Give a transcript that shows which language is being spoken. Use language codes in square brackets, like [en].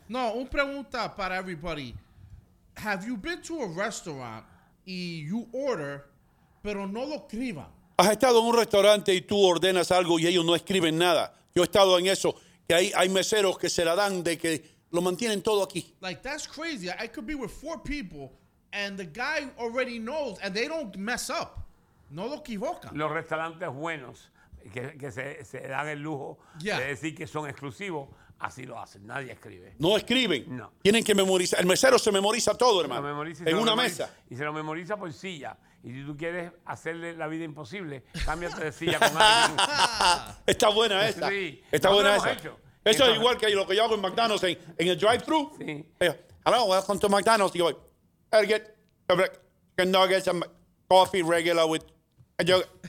[es] No, una pregunta para [en] everybody. Have you been to a restaurant y you order, [es] pero no lo escriban? ¿Has estado en un restaurante y tú ordenas algo y ellos no escriben nada? Yo he estado en eso, que hay meseros que se la dan de que lo mantienen todo aquí. [en] Like, that's crazy. I could be with 4 people... And the guy already knows, and they don't mess up. [es] No lo equivocan. Los restaurantes buenos, que se dan el lujo de decir que son exclusivos, así lo hacen. Nadie escribe. ¿No escriben? No. Tienen que memorizar. El mesero se memoriza todo, hermano. Se memoriza en una mesa. Y se lo memoriza por silla. Y si tú quieres hacerle la vida imposible, cámbiate de silla con alguien. Está buena esa. Sí. Eso es igual que lo que yo hago en McDonald's, en el drive-thru. Sí. [en] Hello, welcome to McDonald's. [es] Y voy... [en] I'll get a nuggets and coffee regular with a yogurt.